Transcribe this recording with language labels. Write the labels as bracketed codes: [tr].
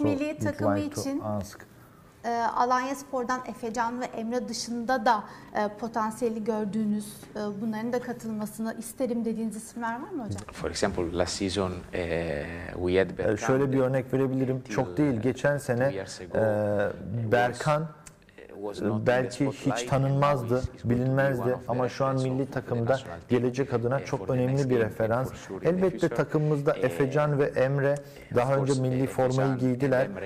[tr] milli takımı için Alanya Spor'dan Efecan ve Emre dışında da potansiyeli gördüğünüz, bunların da katılmasını isterim dediğiniz isimler var mı hocam? [en] For example, last season we had Berkan. [tr] Şöyle bir örnek verebilirim. Çok değil, geçen sene Berkan belki hiç tanınmazdı, bilinmezdi ama şu an milli takımda gelecek adına çok önemli bir referans. Elbette takımımızda Efecan ve Emre daha önce milli formayı giydiler.